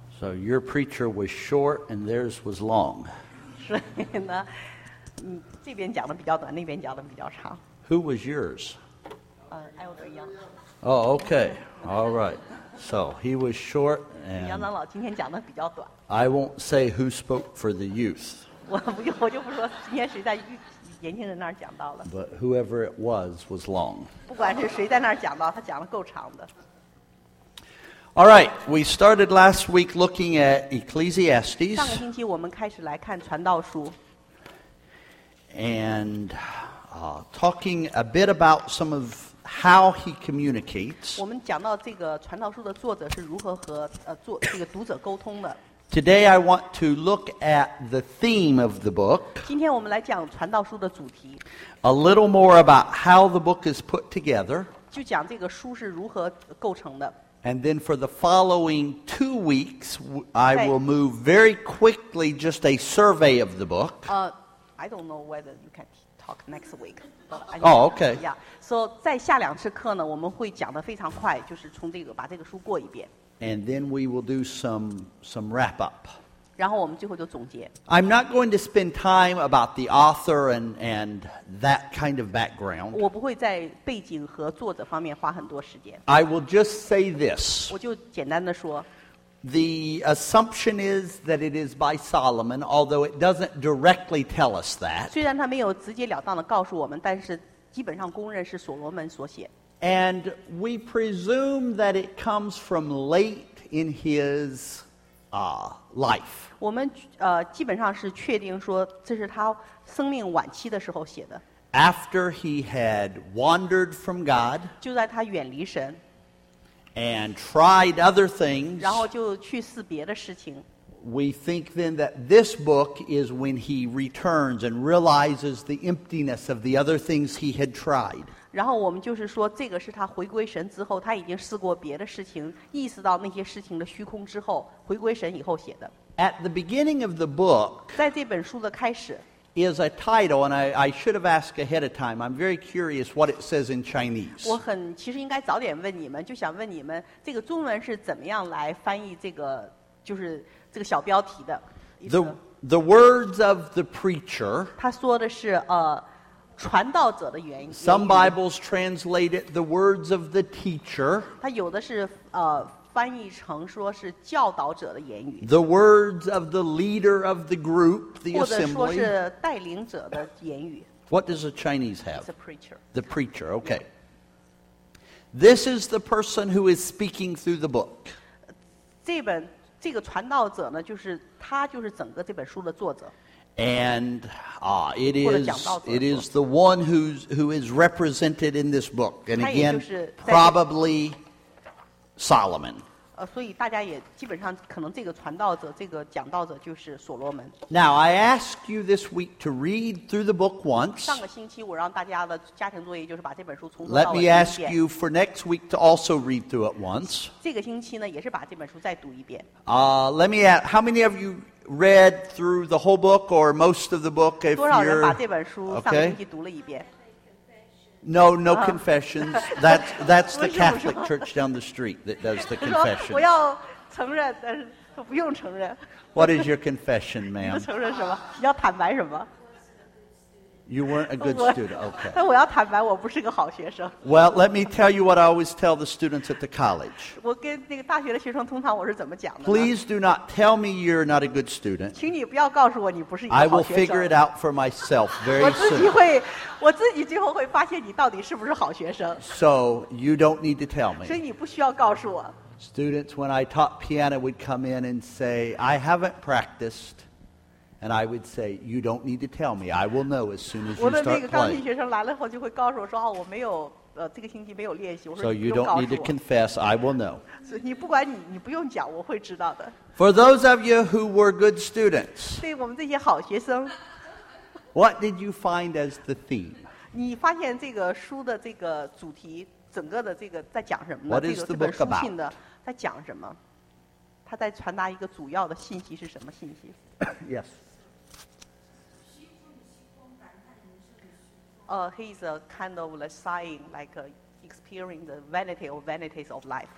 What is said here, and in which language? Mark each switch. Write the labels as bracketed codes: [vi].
[en] So your preacher was short and theirs was long. [zh] 所以呢，这边讲的比较短，那边讲的比较长。 [en] Who was yours? Elder Young. Oh, okay. All right. So he was short and. [zh] 杨长老今天讲的比较短。 [en] I won't say who spoke for the youth. [zh] 我就不说今天谁在年轻人那儿讲到了。 [en] But whoever it was long. [zh] 不管是谁在那儿讲到，他讲的够长的。 [en] All right, we started last week looking at Ecclesiastes. [zh] 上个星期我们开始来看《传道书》。 [en] And talking a bit about some of how he communicates. [zh] 我们讲到这个《传道书》的作者是如何和这个读者沟通的。 [en] Today I want to look at the theme of the book. [zh] 今天我们来讲《传道书》的主题。 [en] A little more about how the book is put together. [zh] 就讲这个书是如何构成的。 [en] And then for the following 2 weeks, I will move very quickly, just a survey of the book. I don't know whether you can talk next week. Oh, okay. Yeah. [zh] So, 在下两次课呢，我们会讲得非常快，就是从这个把这个书过一遍。 [en] And then we will do some wrap up. [zh] 然后我们最后就总结。 [en] I'm not going to spend time about the author and that kind of background. [zh] 我不会在背景和作者方面花很多时间。 [en] I will just say this. [zh] 我就简单的说。 [en] The assumption is that it is by Solomon, although it doesn't directly tell us that. [zh] 虽然他没有直截了当的告诉我们，但是基本上公认是所罗门所写。 [en] And we presume that it comes from late in his life. [zh] 我们基本上是确定说这是他生命晚期的时候写的。 [en] After he had wandered from God. [zh] 就在他远离神。 [en] And tried other things. [zh] 然后就去试别的事情。 [en] We think then that this book is when he returns and realizes the emptiness of the other things he had tried. [zh] 然后我们就是说这个是他回归神之后他已经试过别的事情意识到那些事情的虚空之后回归神以后写的。 [en] At the beginning of the book, [zh] 在这本书的开始 [en] is a title, and I should have asked ahead of time. I'm very curious what it says in Chinese. [zh] 我很其实应该早点问你们就想问你们这个中文是怎么样来翻译这个就是这个小标题的。 [en] The words of the preacher, [zh] 他说的是传道者的原因。 [en] Some Bibles translate it the words of the teacher. [zh] 它有的是翻译成说是教导者的言语。 [en] The words of the leader of the group, the assembly. [zh] 或者说是带领者的言语。 [en] What does the Chinese have? It's a preacher. The preacher, okay. This is the person who is speaking through the book. [zh] 这个传道者呢，就是他就是整个这本书的作者。 [en] And it is the one who is represented in this book, and again, probably Solomon. [zh] 所以大家也基本上可能这个传道者、这个讲道者就是所罗门。 [en] Now I ask you this week to read through the book once. [zh] 上个星期我让大家的家庭作业就是把这本书从头到尾读一遍。 [en] Let me ask you for next week to also read through it once. [zh] 这个星期呢，也是把这本书再读一遍。 [en] Let me ask, how many of you read through the whole book or most of the book? If you're [zh] 多少人把这本书上个星期读了一遍 [en] okay. No confessions. That's the Catholic church down the street that does the confession. [zh] 我要承认，但是不用承认。 [en] What is your confession, ma'am? [zh] 你要承认什么？你要坦白什么？ [en] You weren't a good student, okay. [zh] 但我要坦白，我不是个好学生。 [en] Well, let me tell you what I always tell the students at the college. [zh] 我跟那个大学的学生通常我是怎么讲的呢？ [en] Please do not tell me you're not a good student. [zh] 请你不要告诉我你不是一个好学生。 [en] I will figure it out for myself very soon. [zh] 我自己最后会发现你到底是不是好学生。 [en] So you don't need to tell me. [zh] 所以你不需要告诉我。 [en] Students, when I taught piano, would come in and say, I haven't practiced. And I would say, you don't need to tell me. I will know as soon as you start playing. [zh] 我的那个钢琴学生来了后就会告诉我说啊，我没有这个星期没有练习。 [en] So you don't need to confess. I will know. [zh] 你不管你不用讲，我会知道的。 [en] For those of you who were good students, [zh] 对我们这些好学生 [en] what did you find as the theme? [zh] 你发现这个书的这个主题，整个的这个在讲什么呢？ [en] What is the book about? [zh] 这本书信的在讲什么？他在传达一个主要的信息是什么信息 [en] ？Yes。 He's a kind of like sighing, like experiencing the vanity or vanities of life.